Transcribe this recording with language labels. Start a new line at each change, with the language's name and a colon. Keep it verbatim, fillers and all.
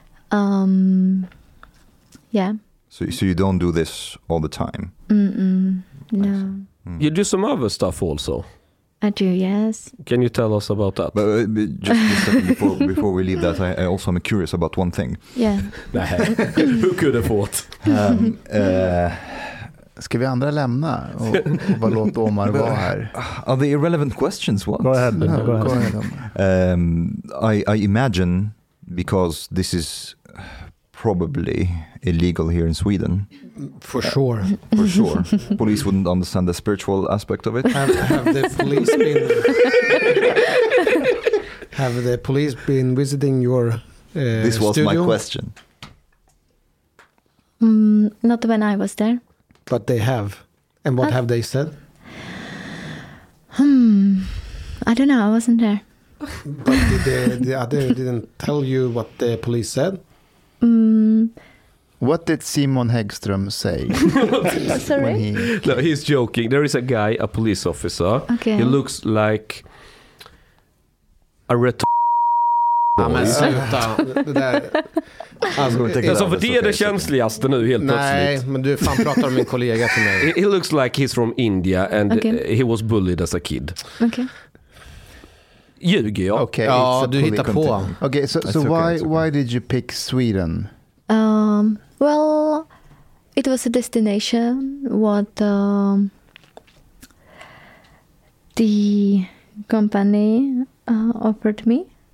English: Um, yeah. So, so you don't do this all the time? Mm-mm, no. Mm. You do some other stuff also. I do, yes. Can you tell us about that? But, uh, just, just a second before, before we leave that, I, I also am curious about one thing. Yeah. Who could have thought? Um,
Swedish: uh, Ska vi andra lämna och, och bara låta Omar vara här?
English: Are the irrelevant questions what? Go ahead. No, go ahead. Go ahead, Omar. Um, I, I imagine, because this is probably illegal here in Sweden. For sure. Uh, for sure. Police wouldn't understand the spiritual aspect of it. Have, have the police been Have the police been visiting your uh, This was studio? My question. Mm, not when I was there. But they have. And what uh, have they said? Hmm. I don't know. I wasn't there. But the, the other didn't tell you what the police said? Mm. What did Simon Häggström say? Sorry? He... No, he's joking. There is a guy, a police officer. Okay. He looks like a retard.
Swedish: Ja, men sluta. Det där. Alltså, alltså för det är det känsligaste nu helt Nej, plötsligt. Nej, men du fan pratar om min kollega till mig.
English: He looks like he's from India and okay. he was bullied as a kid. Okej. Okay.
Swedish: Ljuger jag? Okay, ja, du hittar på.
English: Okay, so, so okay, why, okay. why did you pick Sweden? Um, well, it was a destination what um, the company uh, offered me.